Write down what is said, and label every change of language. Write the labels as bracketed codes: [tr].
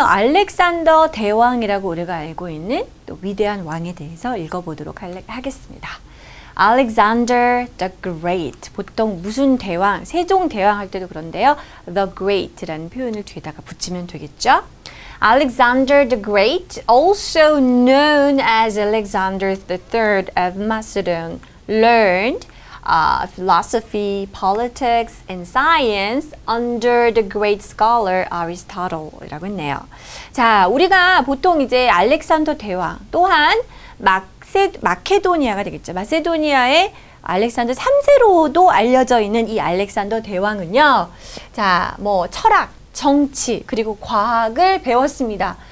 [ko] 알렉산더 대왕이라고 우리가 알고 있는 또 위대한 왕에 대해서 읽어보도록 하겠습니다. [en] Alexander the Great. [ko] 보통 무슨 대왕, 세종 대왕 할 때도 그런데요. The Great라는 표현을 뒤에다가 붙이면 되겠죠. [en] Alexander the Great, also known as Alexander III of Macedon, learned philosophy, politics, and science under the great scholar Aristotle이라고 [ko] 했네요. 자, 우리가 보통 이제 알렉산더 대왕 또한 마케도니아가 되겠죠. 마세도니아의 알렉산더 3세로도 알려져 있는 이 알렉산더 대왕은요. 자, 뭐 철학, 정치, 그리고 과학을 배웠습니다.